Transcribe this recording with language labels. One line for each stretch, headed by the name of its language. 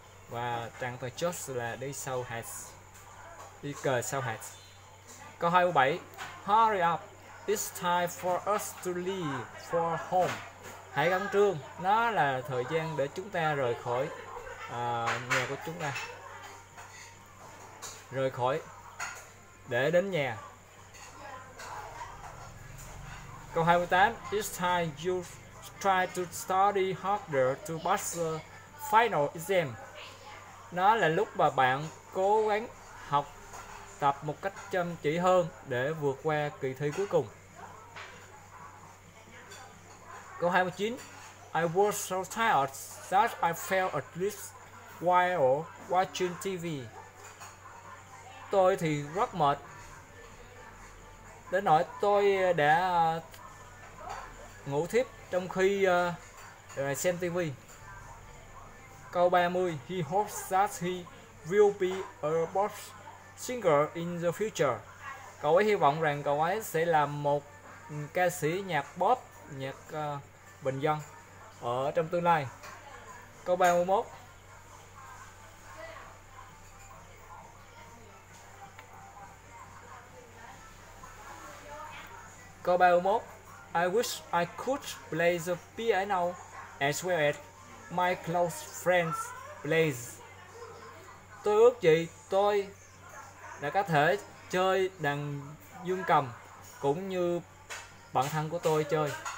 Vietnamese: Và trạng thái just là đi sau has, đi cờ sau has. Câu 27.
English: Hurry up, it's time for us to leave for home.
Vietnamese: Hãy khẩn trương, nó là thời gian để chúng ta rời khỏi nhà của chúng ta, rời khỏi để đến nhà. Câu 28.
English: It's time you try to study harder to pass the final exam.
Vietnamese: Nó là lúc mà bạn cố gắng học tập một cách chăm chỉ hơn để vượt qua kỳ thi cuối cùng. Câu 29.
English: I was so tired that I fell asleep while watching TV.
Vietnamese: Tôi thì rất mệt đến nỗi tôi đã ngủ thiếp trong khi xem TV. Câu 30.
English: He hopes that he will be a pop singer in the future.
Vietnamese: Cậu ấy hy vọng rằng cậu ấy sẽ là một ca sĩ nhạc pop, nhạc bình dân ở trong tương lai. Câu 31. Câu 31.
English: I wish I could play the piano as well as my close friends play.
Vietnamese: Tôi ước gì tôi đã có thể chơi đàn dương cầm cũng như bạn thân của tôi chơi.